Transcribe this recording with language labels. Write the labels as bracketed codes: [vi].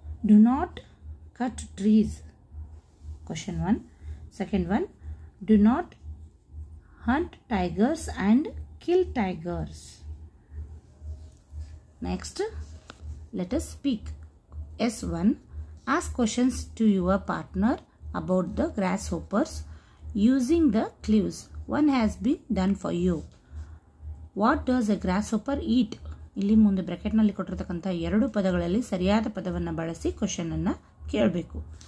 [en] Do not cut trees, question 1. Second 1, do not hunt tigers and kill tigers. Next, let us speak. S1, ask questions to your partner about the grasshoppers using the clues. One has been done for you. What does a grasshopper eat? [kn] ಇಲ್ಲಿ ಮುಂದೆ ಬ್ರಾಕೆಟ್ನಲ್ಲಿ ಕೊಟ್ಟಿರತಕ್ಕಂಥ ಎರಡು ಪದಗಳಲ್ಲಿ ಸರಿಯಾದ ಪದವನ್ನು ಬಳಸಿ question ಅನ್ನು ಕೇಳಬೇಕು.